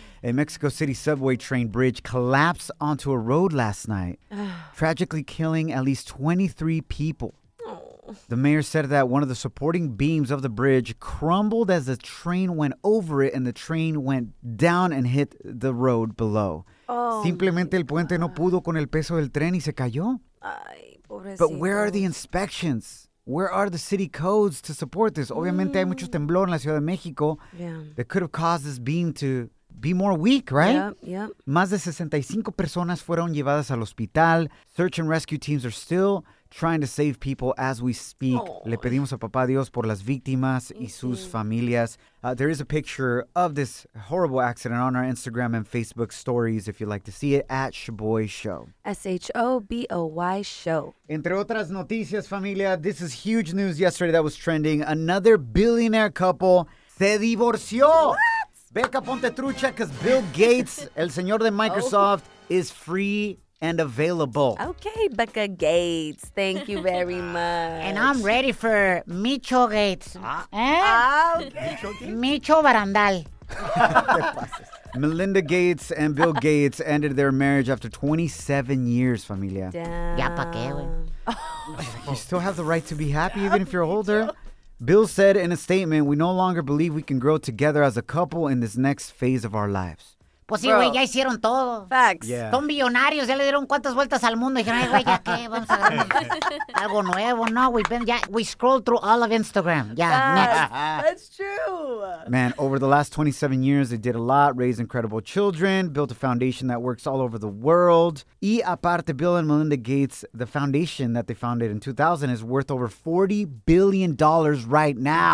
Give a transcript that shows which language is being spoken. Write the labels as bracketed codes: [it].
[en] A Mexico City subway train bridge collapsed onto a road last night, tragically killing at least 23 people. The mayor said that one of the supporting beams of the bridge crumbled as the train went over it and the train went down and hit the road below. Oh, [es] simplemente el puente no pudo con el peso del tren y se cayó. Ay, Pobrecito. [en] But where are the inspections? Where are the city codes to support this? [es] Obviamente hay mucho temblor en la Ciudad de México. [en] Yeah. That could have caused this beam to be more weak, right? Yep. [es] Más de 65 personas fueron llevadas al hospital. [en] Search and rescue teams are still trying to save people as we speak. [es] Oh. Le pedimos a Papá Dios por las víctimas y sus familias. [en] There is a picture of this horrible accident on our Instagram and Facebook stories if you'd like to see it, at Shaboy Show. S-H-O-B-O-Y Show. [es] Entre otras noticias, [en] familia, this is huge news yesterday that was trending. Another billionaire couple [es] se divorció. [en] What? Becca Ponte Trucha, because Bill Gates, [es] el señor de Microsoft, [en] is free and available. Okay, Becca Gates. Thank you very much. And I'm ready for Micho Gates. Okay. Micho Barandal. Melinda Gates and Bill Gates ended their marriage after 27 years, familia. Damn. [es] Ya pa qué, güey. [en] You still have the right to be happy even if you're older. Bill said in a statement, "We no longer believe we can grow together as a couple in this next phase of our lives." [es] Pues sí, güey, ya hicieron todo. [en] Facts. Yeah. [es] Son billonarios, ya le dieron cuantas vueltas al mundo. Dijeron, ay, güey, ¿ya qué? Vamos a agarrar algo nuevo. [en] No, we've been, yeah, we scrolled through all of Instagram. Yeah, next. That's true. Man, over the last 27 years, they did a lot, raised incredible children, built a foundation that works all over the world. [es] Y aparte, [en] Bill and Melinda Gates, the foundation that they founded in 2000 is worth over $40 billion right now.